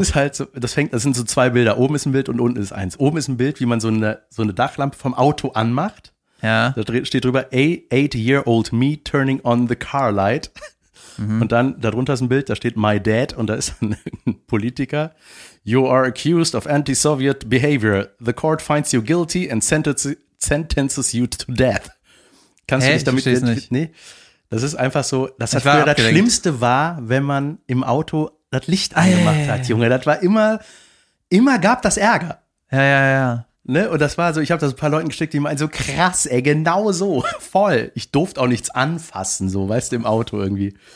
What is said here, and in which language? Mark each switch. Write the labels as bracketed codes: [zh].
[de] Ist halt so, das sind so zwei Bilder. Oben ist ein Bild und unten ist eins. Oben ist ein Bild, wie man so eine Dachlampe vom Auto anmacht. Ja. Da steht drüber, [en] 8-year-old me turning on the car light. [de] Mhm. Und dann darunter ist ein Bild, da steht [en] my dad [de] und da ist ein Politiker. [en] You are accused of anti-Soviet behavior. The court finds you guilty and sentences you to death. [de] Kannst du dich damit identifizieren? Nee. Das ist einfach so, das hat früher abgelenkt. Das Schlimmste war, wenn man im Auto das Licht angemacht hat, Junge. Das war immer gab das Ärger. Ja, ja, ja. Ne? Und das war so, ich habe das ein paar Leuten geschickt, die meinen so, krass, ey, genau so, voll. Ich durfte auch nichts anfassen, so, weißt du, im Auto irgendwie.